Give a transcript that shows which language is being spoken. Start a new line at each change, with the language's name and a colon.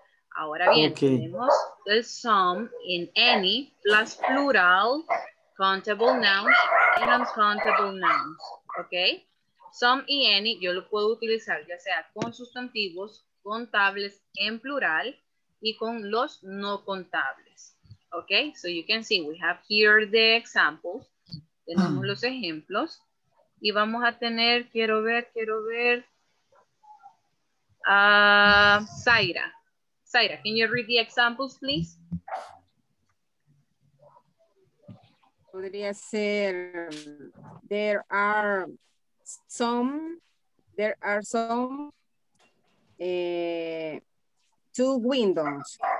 Spanish: Ahora bien, tenemos el
English: some in any plus plural countable nouns and uncountable nouns, ok.
Spanish: Some y any yo lo puedo utilizar ya sea con sustantivos contables en plural y con los no contables.
English: Ok, so you can see we have here the examples.
Spanish: Tenemos los ejemplos y vamos a tener, quiero ver a Zaira.
English: Zaira, can you read the examples, please?
Spanish: Podría ser
English: there are some two windows.